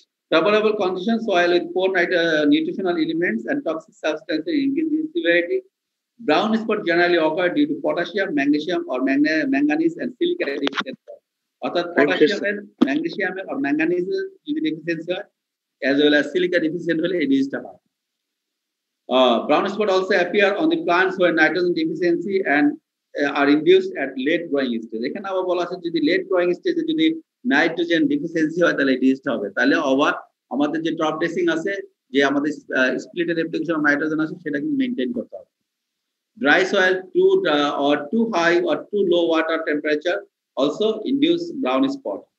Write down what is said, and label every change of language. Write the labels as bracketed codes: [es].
[en] Favourable condition soil with poor nutritional elements and toxic substances increase in severity, brown spot generally occur due to potassium, magnesium or manganese and silica deficiency. [bn] অর্থাৎ potassium এর, magnesium এর or manganese যদি deficiency হয় [en] as well as [bn] silica deficient হলে এই ডিজিজটা হয়। [en] Brown spot also appear on the plants where nitrogen deficiency and are induced at late growing stage. [bn] এখানে আবার বলা আছে যদি late growing stage যদি nitrogen deficiency হয় তাহলে disease হবে, তাহলে আবার আমাদের যে top dressing আছে যে আমাদের স্প্লিট রেপ্লিকেশন নাইট্রোজেন আছে সেটা কিন্তু মেইনটেইন করতে হবে। [en] Dry soil too or too high or too low water temperature also induce brown spot.